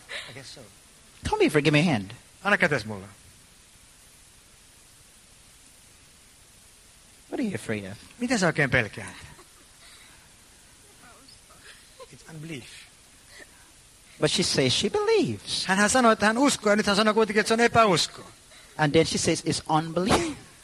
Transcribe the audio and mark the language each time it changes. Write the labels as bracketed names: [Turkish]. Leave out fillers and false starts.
[English] I guess so. Tell me if you give me a hand. [Finnish] Anna kätes mulle. [English] What are you afraid of? [Finnish] Mitä sä oikein pelkäät? [English] It's unbelief. But she says she believes. [Finnish] Hän sanoi, että hän uskoo, ja nyt hän sanoo kuitenkin, että se on epäusko. [English] And then she says it's unbelief.